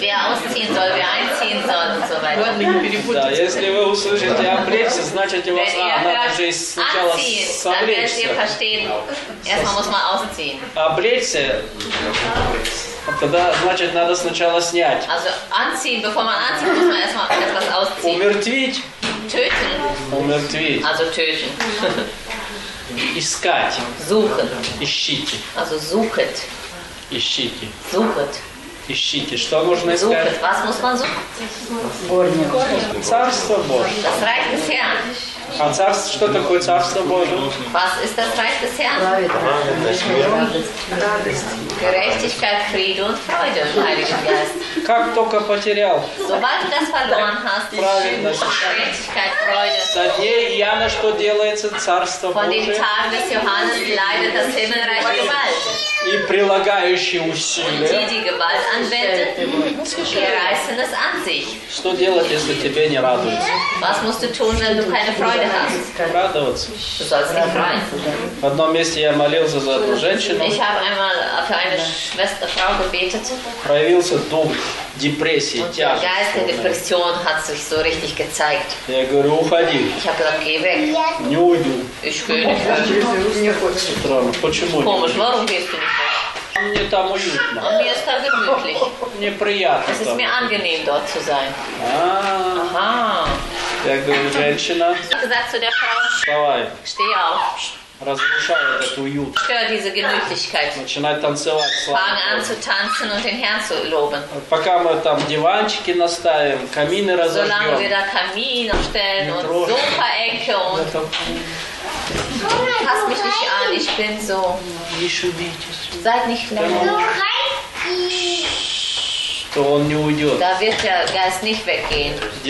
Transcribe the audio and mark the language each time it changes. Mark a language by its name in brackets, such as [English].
[German] Wer ausziehen soll, wer einziehen soll und so weiter. [Russian] Да, если вы услышите обречься, значит, у вас надо же сначала собречься. [German] Dann werdet ihr verstehen, erstmal muss man ausziehen. [Russian] Обречься. Тогда, значит, надо сначала снять. [German] Also anziehen, bevor man anzieht, muss man erstmal etwas ausziehen. [Russian] Умертвить. [German] Töten. [Russian] Умертвить. [German] Also töten. [Russian] Искать. [German] Suchen. [Russian] Ищите. [German] Also suchet. [Russian] Ищите. [German] Suchet. [Russian] Ищите. Что нужно искать? [German] Suchet. Was muss man suchen? [Russian] Горни. Царство Божие. [German] Das Reich des Herrn. [Russian] А царство, что такое царство Божие? [German] Was ist das Reich des Herrn? [Russian] Радость. [German] Gerechtigkeit, Friede und Freude, Heiliger Geist. [Russian] Как только потерял. [German] Sobald du das verloren hast, Gerechtigkeit, Freude. [Russian] Со дней Иоанна что делается? Царство Божие. [German] Von den Tagen des Johannes leidet das Himmelreich Gewalt. [Russian] И прилагающие усилия. [German] Und die Gewalt anwendet, die reißen es an sich. [Russian] Что делать, если тебе не радуется? [German] Was musst du tun, wenn du keine Freude [Russian] радоваться. [German] Du sollst dich freuen. [Russian] В одном месте я молился за эту женщину. [German] Ich habe einmal für eine Schwester, Frau gebetet. [Russian] Проявился дух депрессии, тяжесть. [German] Und der Geist der Depression hat sich so richtig gezeigt. [Russian] Я говорю, уходи. [German] Ich habe gesagt, geh weg. [Russian] Не уйду. [German] Ich will nicht. [Russian] Странно, почему? [German] Warum gehst du nicht weg? [Russian] мне там уютно. Он мне сказал, [German] wirklich. [Russian] Мне приятно. [German] Es ist mir angenehm, dort zu sein. [Russian] Ага. Я говорю, женщина. Вставай. [German] Steh auf. [Russian] Разрушай этот уют. [German] Stör diese Gemütlichkeit. [Russian] Начинай танцевать. [German] Fang an zu tanzen und den Herrn zu loben. [Russian] Пока мы там диванчики наставим, камины разожжем. [German] Solange wir da Kamin aufstellen und Sofa-Ecke und... Pass mich nicht an, ich bin so. Seid nicht lang. Da wird der Geist nicht weggehen.